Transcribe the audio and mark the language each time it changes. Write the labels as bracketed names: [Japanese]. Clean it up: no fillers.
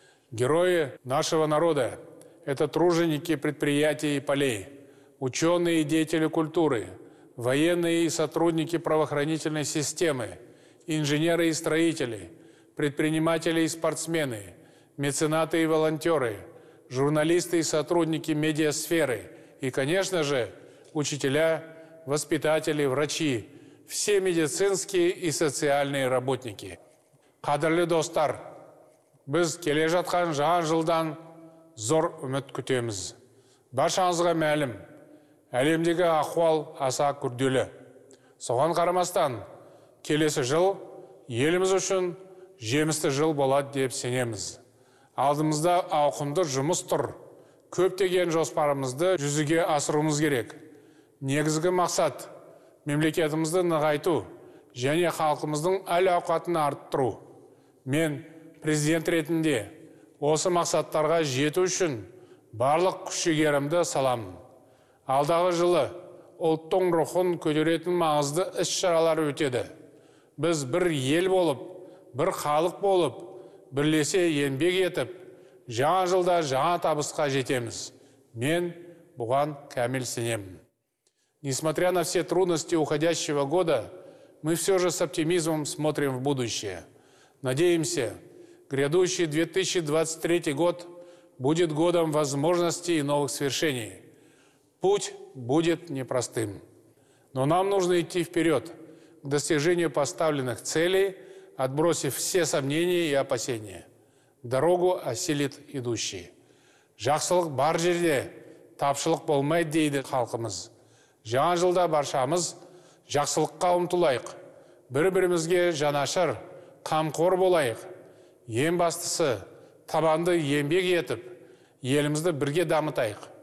[Russian] Герои нашего народа – это труженики предприятий и полей, ученые и деятели культуры, военные и сотрудники правоохранительной системы, инженеры и строители, предприниматели и спортсмены, меценаты и волонтеры, журналисты и сотрудники медиасферы и, конечно же, учителя, воспитатели, врачи, все медицинские и социальные работники. [Kazakh] Кадерли достар, біз келе жатқан жаңа жылдан зор үміт күтеміз. Баршаңызға мәлім, әлемдегі ахуал аса күрделі. Соған қарамастан, келесі жыл еліміз үшін жемісті жыл болады деп сенеміз. Алдымызда ауқымды жұмыс тұр. Көптеген жоспарымызды жүзеге асыруымыз керек. Негізгі мақсат – мемлекетімізді нығайту және халқымыздың әл-ауқатын арттыру. Мен президент ретінде осы мақсаттарға жету үшін барлық күш-жігерімді саламын. Алдағы жылы ұлттың рухын көтеретін маңызды іс-шаралар өтеді. Біз бір ел болып, бір халық болып, бірлесе еңбек етіп, жаңа жылда жаңа табысқа жетеміз. Мен бұған кәміл сенемін. [Russian] Несмотря на все трудности уходящего года, мы все же с оптимизмом смотрим в будущее. Надеемся, грядущий 2023 год будет годом возможностей и новых свершений. Путь будет непростым. Но нам нужно идти вперед к достижению поставленных целей, отбросив все сомнения и опасения. Дорогу осилит идущий. [Kazakh] Жақсылық бар жерде, тапшылық болмай дейді халқымыз. Жаңа жылда баршамыз жақсылыққа ұмтылайық. Бір-бірімізге жанашыр, қамқор болайық. Ең бастысы, табанды еңбек етіп, елімізді бірге дамытайық.